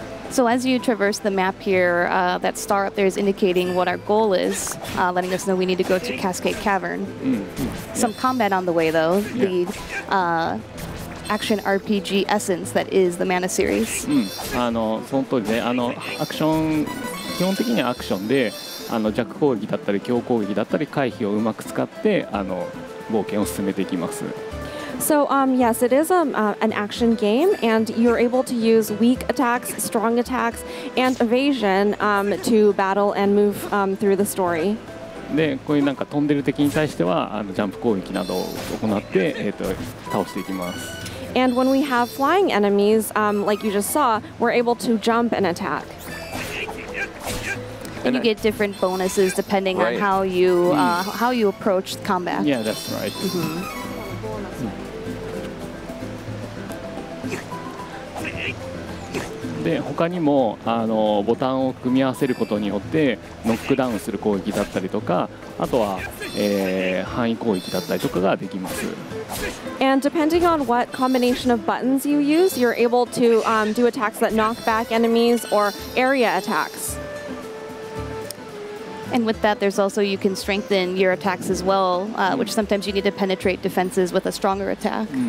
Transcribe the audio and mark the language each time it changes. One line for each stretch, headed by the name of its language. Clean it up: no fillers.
English: So as you traverse the map here, that star up there is indicating what our goal is, letting us know we need to go to Cascade Cavern. Some combat on the way though, the action RPG essence that is the Mana series.
Japanese: あの、その通りね、あの、アクション、基本的にはアクションで、あの、弱攻撃だったり強攻撃だったり回避をうまく使って、あの、冒険を進めていきます。
English: So, yes, it is an action game, and you're able to use weak attacks, strong attacks, and evasion to battle and move through the story.
Japanese: で、こういうなんか飛んでる敵に対しては、あの、ジャンプ攻撃などを行って、倒していきます。
English: And when we have flying enemies, like you just saw, we're able to jump and attack. And you get different bonuses depending on how you approach combat. Yeah, that's right.
Japanese: で、他にもあのボタンを組み合わせることによってノックダウンする攻撃だったりとか、あとは、範囲攻撃だったりとかができます。
English: And depending on what combination of buttons you use, you're able to do attacks that knock back enemies or area attacks. And with that, there's also you can strengthen your attacks as well, which sometimes you need to penetrate defenses with a stronger attack.